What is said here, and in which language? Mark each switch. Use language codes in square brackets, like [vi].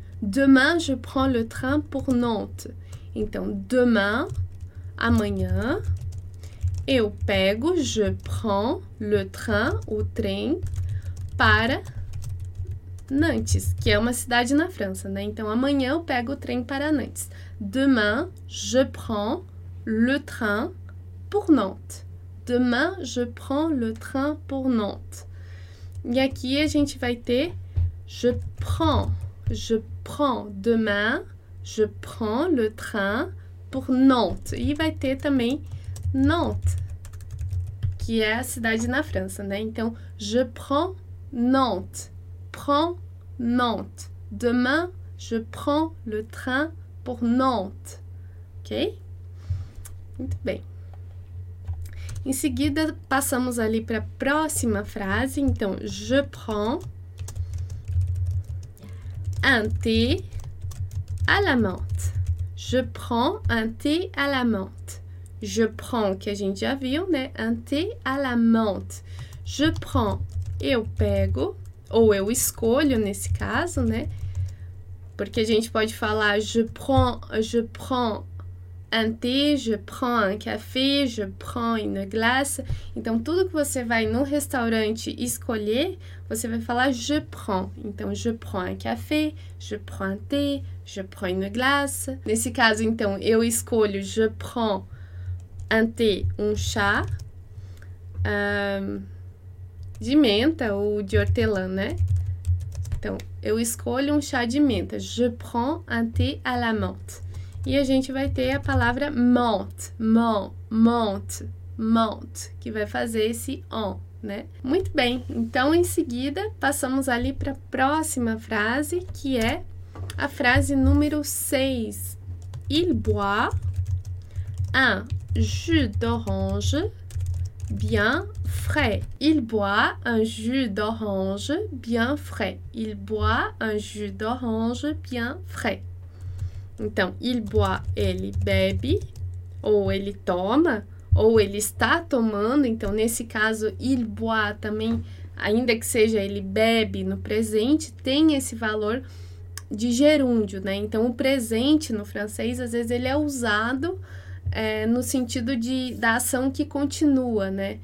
[fr] Demain, je prends le train pour Nantes. [pt] Então, [fr] demain, [pt] amanhã, eu pego, [fr] je prends le train, [pt] o trem, para Nantes, que é uma cidade na França, né? Então, amanhã eu pego o trem para Nantes. [fr] Demain, je prends le train pour Nantes. Demain, je prends le train pour Nantes. [pt] E aqui a gente vai ter [fr] je prends le train pour Nantes. [pt] E vai ter também Nantes, que é a cidade na França, né? [fr] Então, je prends Nantes. Prends Nantes. Demain, je prends le train pour Nantes. [pt] Ok? Muito bem. Em seguida, passamos ali para a próxima frase. [fr] Então, je prends un thé à la menthe. Je prends un thé à la menthe. Je prends, [pt] que a gente já viu, né? [fr] Un thé à la menthe. Je prends, [pt] eu pego, ou eu escolho nesse caso, né? Porque a gente pode falar [fr] je prends un thé, je prends un café, je prends une glace. [pt] Então, tudo que você vai no restaurante escolher, você vai falar [fr] je prends. [pt] Então, [fr] je prends un café, je prends un thé, je prends une glace. [pt] Nesse caso, então, eu escolho [fr] je prends un thé, [pt] um chá de menta ou de hortelã, né? Então, eu escolho um chá de menta. [fr] Je prends un thé à la menthe. [pt] E a gente vai ter a palavra menthe, que vai fazer esse on, né? Muito bem, então em seguida passamos ali para a próxima frase, que é a frase número 6. [fr] Il boit un jus d'orange bien frais. Il boit un jus d'orange bien frais. Il boit un jus d'orange bien frais. [pt] Então, [fr] il boit, [pt] ele bebe, ou ele toma, ou ele está tomando. Então, nesse caso, [fr] il boit [pt] também, ainda que seja ele bebe no presente, tem esse valor de gerúndio, né? Então, o presente no francês, às vezes, ele é usado no sentido da ação que continua, né?